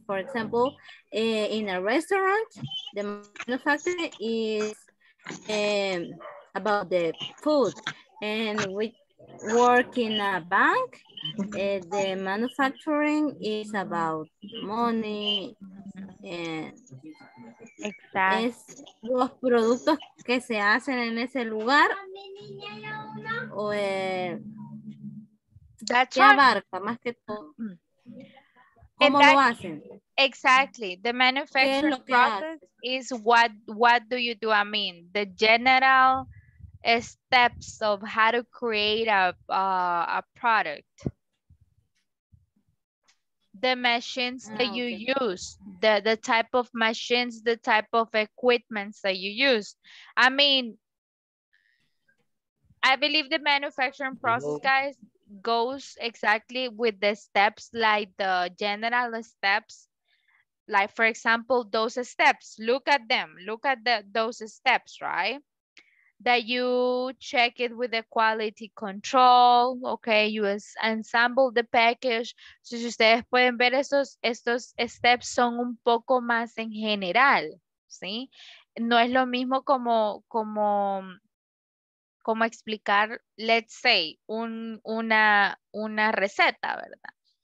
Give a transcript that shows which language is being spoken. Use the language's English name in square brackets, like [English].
[English] For example, in a restaurant, the manufacturing is about the food. And we work in a bank, the manufacturing is about money. [Spanish] Exacto. Es los productos que se hacen en ese lugar. O, ¿qué abarca más que todo? ¿Cómo lo hacen? [English] Exactly. The manufacturing process is what do you do? I mean, the general steps of how to create a product. The machines that you use, the type of machines, the type of equipment that you use. I mean, I believe the manufacturing process, guys, goes exactly with the steps, like the general steps. Like, for example, those steps, look at them, look at the those steps, right? That you check it with the quality control, okay? You ensamble the package. [Spanish] So, si ustedes pueden ver esos, estos steps son un poco más en general, ¿sí? No es lo mismo como, como explicar, let's say, una receta, ¿verdad?